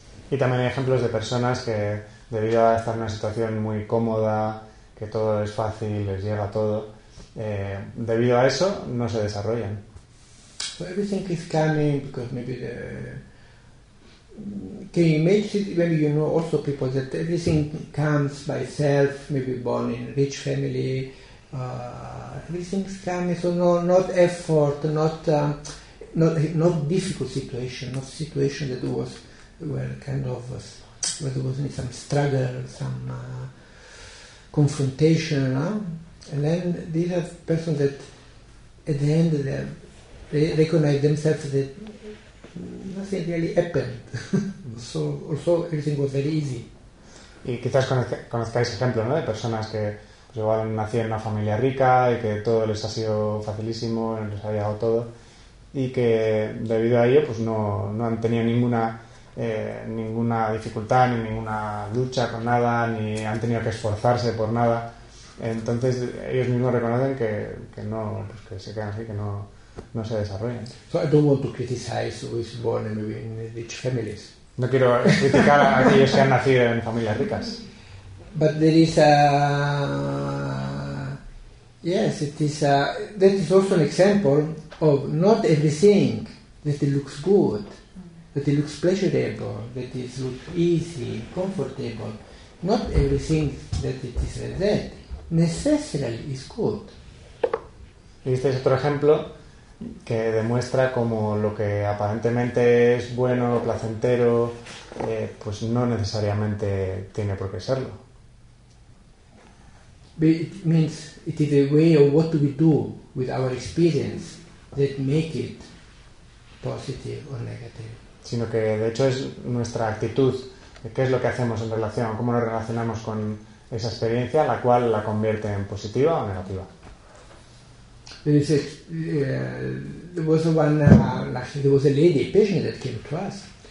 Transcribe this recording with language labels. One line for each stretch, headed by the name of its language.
Spanish: Y también hay ejemplos de personas que, debido a estar en una situación muy cómoda, que todo es fácil, les llega todo, debido a eso no se desarrollan.
English: So everything is coming because maybe the can you imagine, maybe you know also people that everything comes by itself, maybe born in a rich family, everything's coming, so no, not effort, not not difficult situation, not situation that was where kind of was, where there was some struggle, some confrontation, no? And then these are persons that at the end they recognize themselves that nothing really happened, so also everything was very easy.
Spanish: Y quizás conozcáis ejemplos, ¿no? De personas que pues igual nacían en una familia rica y que todo les ha sido facilísimo, les ha llegado todo, y que debido a ello pues no han tenido ninguna dificultad, ni ninguna lucha con nada, ni han tenido que esforzarse por nada. Entonces ellos mismos reconocen que no, pues que se quedan así, que no se desarrollan.
English: So I don't want to criticize who is born and maybe in rich families.
Spanish: No quiero criticar a aquellos que han nacido en familias ricas.
English: But there is a yes, it is a that is also an example of not everything that it looks good, that it looks pleasurable, that it looks easy, comfortable. Not everything that it is like that necessarily is good.
Spanish: Este es otro ejemplo que demuestra cómo lo que aparentemente es bueno, placentero, pues no necesariamente tiene por qué serlo.
English: But it means it is a way of what we do with our experience that make it positive or negative.
Spanish: Sino que de hecho es nuestra actitud, qué es lo que hacemos en relación, cómo nos relacionamos con esa experiencia, la cual la convierte en positiva o negativa.
English: There is there was one, actually there was a lady, a patient that came to us.